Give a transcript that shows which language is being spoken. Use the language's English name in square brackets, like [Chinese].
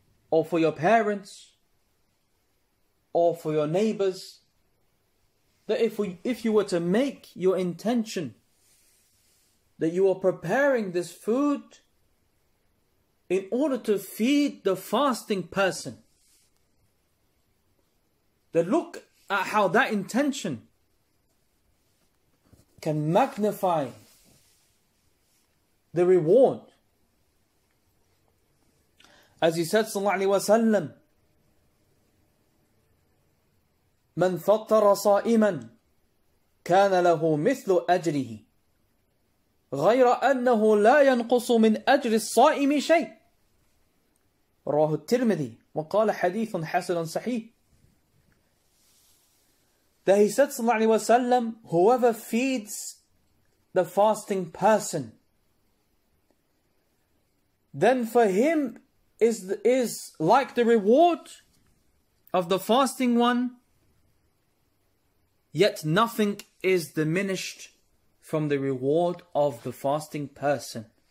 [English] or for your parents or for your neighbors, that if you were to make your intention that you are preparing this food in order to feed the fasting person, then look at how that intention can magnify the reward. As he said, [Arabic] sallallahu alayhi wa sallam, من فطر صائما كان له مثل أجره غير أنه لا ينقص من أجر الصائم شيء رواه الترمذي وقال حديث حسن صحيح. [English] That he said [Arabic] صلى الله عليه وسلم, [English] whoever feeds the fasting person, then for him is like the reward of the fasting one, yet nothing is diminished from the reward of the fasting person.